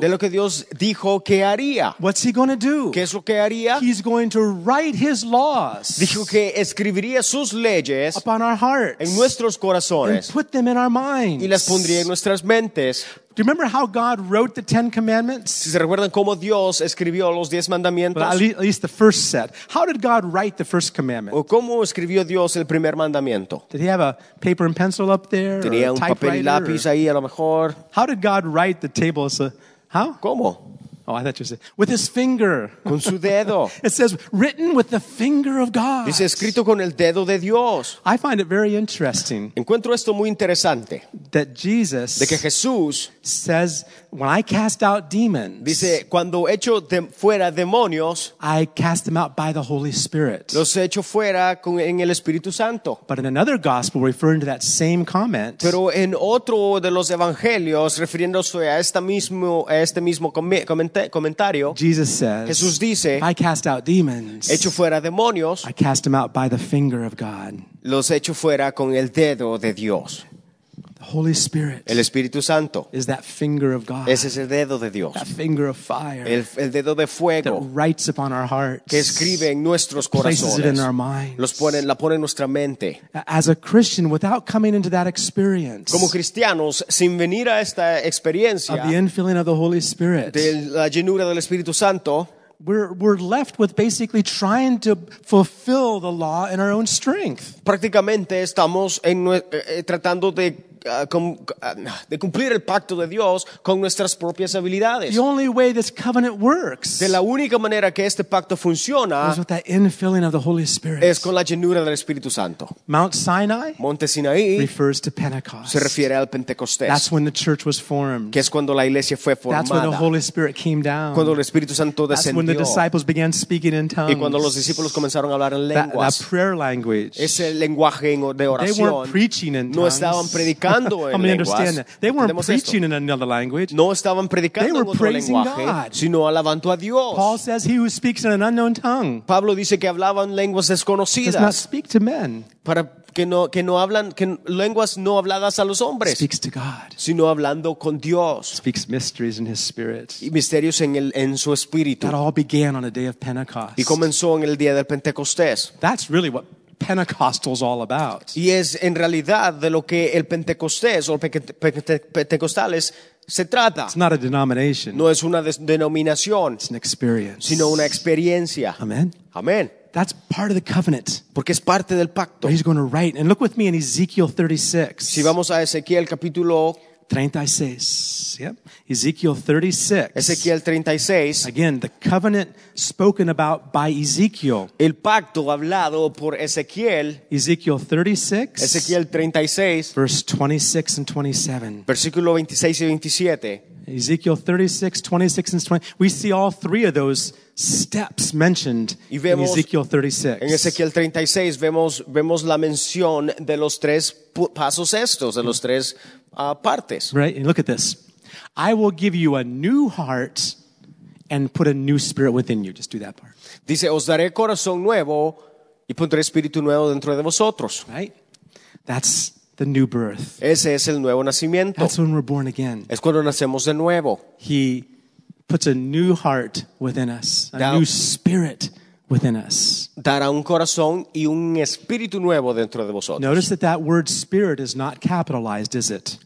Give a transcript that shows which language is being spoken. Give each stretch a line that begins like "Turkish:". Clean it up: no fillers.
Spanish: De lo que Dios dijo que haría.
English: What's he going to do?
Spanish: ¿Qué es lo que haría?
English: He's going to write his laws.
Spanish: Dijo que escribiría sus leyes
English: upon our hearts.
Spanish: En nuestros corazones.
English: And put them in our minds.
Spanish: Y las pondría en nuestras mentes.
English: Do you remember how God wrote the Ten Commandments?
Spanish: ¿Se recuerdan cómo Dios escribió los diez mandamientos?
English: Well, at least the first set. How did God write the first commandment?
Spanish: ¿O cómo escribió Dios el primer mandamiento?
English: Did he have a paper and pencil up there?
Spanish: ¿Tenía
English: or
Spanish: un papel y lápiz
English: or?
Spanish: Ahí a lo mejor?
English: How did God write the tables? How?
Spanish: ¿Cómo?
English: Oh, I thought you said with his finger.
Spanish: Con su dedo.
English: It says written with the finger of God.
Spanish: Dice escrito con el dedo de Dios.
English: I find it very interesting.
Spanish: Encuentro esto muy interesante.
English: That Jesus.
Spanish: De que Jesús.
English: Says when I cast out demons.
Spanish: Dice cuando echo fuera demonios.
English: I cast them out by the Holy Spirit.
Spanish: Los echo fuera en el Espíritu Santo.
English: But in another gospel, referring to that same comment.
Spanish: Pero en otro de los evangelios refiriéndose a este mismo comentario. Comentario,
English: Jesus says,
Spanish: Jesús dice,
English: I cast out demons.
Spanish: Echo fuera demonios.
English: I cast them out by the finger of God.
Spanish: Los echo fuera con el dedo de Dios.
English: The Holy Spirit.
Spanish: El Espíritu Santo.
English: Is that finger of God.
Spanish: Ese es el dedo de Dios.
English: That finger of fire.
Spanish: El dedo de fuego.
English: That writes upon our hearts.
Spanish: Que escribe en nuestros corazones.
English: Places it in our minds.
Spanish: La pone en nuestra mente.
English: As a Christian, without coming into that experience.
Spanish: Como cristianos, sin venir a esta experiencia.
English: Of the infilling of the Holy Spirit.
Spanish: De la llenura del Espíritu Santo.
English: We're left with basically trying to fulfill the law in our own strength.
Spanish: Prácticamente estamos tratando de cumplir el pacto de Dios con nuestras propias habilidades.
English: The only way this covenant works.
Spanish: De la única manera que este pacto funciona
English: is with that infilling of the Holy Spirit.
Spanish: Es con la llenura del Espíritu Santo.
English: Mount Sinai.
Spanish: Monte Sinaí
English: refers to Pentecost.
Spanish: Se refiere al Pentecostés.
English: That's when the church was formed.
Spanish: Que es cuando la iglesia fue formada.
English: That's when the Holy Spirit came down.
Spanish: Cuando el Espíritu Santo descendió.
English: That's when the disciples began speaking in tongues.
Spanish: Y cuando los discípulos comenzaron a hablar en lenguas.
English: That prayer language.
Spanish: Ese lenguaje de oración.
English: They weren't preaching in tongues.
Spanish: No estaban predicando.
English: I'm going to understand that. They weren't preaching
Spanish: esto.
English: In another language.
Spanish: No estaban predicando
English: they were
Spanish: otro
English: praising
Spanish: lenguaje,
English: God.
Spanish: Sino alabando a Dios.
English: Paul says he who speaks in an unknown tongue
Spanish: Pablo dice que hablaban lenguas desconocidas
English: does not speak to men.
Spanish: Para que no hablan que lenguas no habladas a los hombres,
English: speaks to God,
Spanish: sino hablando con Dios,
English: speaks mysteries in His Spirit,
Spanish: y misterios en su espíritu.
English: That all began on the day of Pentecost.
Spanish: Y comenzó en el día del Pentecostés.
English: That's really what Pentecostal is all about.
Spanish: Y es en realidad de lo que el Pentecostés o Pentecostales se trata.
English: It's not a denomination.
Spanish: No es una denominación.
English: It's an experience.
Spanish: Sino una experiencia.
English: Amen. Amen. That's part of the covenant.
Spanish: Porque es parte del pacto.
English: He's going to write. And look with me in Ezekiel 36.
Spanish: Si vamos a Ezequiel capítulo
English: 36. Yep. Ezekiel 36.
Spanish: Ezequiel 36.
English: Again, the covenant spoken about by Ezekiel.
Spanish: El pacto hablado por Ezequiel.
English: Ezekiel 36.
Spanish: Ezequiel 36.
English: Verse 26 and 27.
Spanish: Versículo 26 y 27.
English: Ezekiel 36, 26 and 20. We see all three of those steps mentioned in Ezekiel 36.
Spanish: En Ezequiel 36 vemos la mención de los tres pasos estos, de los tres partes.
English: Right, and look at this. I will give you a new heart and put a new spirit within you. Just do that part.
Spanish: Dice, os daré corazón nuevo y pondré espíritu nuevo dentro de vosotros.
English: Right? That's the new birth.
Spanish: Ese es el nuevo nacimiento.
English: That's when we're born again.
Spanish: Es cuando nacemos de nuevo.
English: He puts a new heart within us, a new spirit within us.
Spanish: Dará un corazón y un espíritu nuevo dentro de vosotros.
English: Notice that word spirit is not capitalized, is it?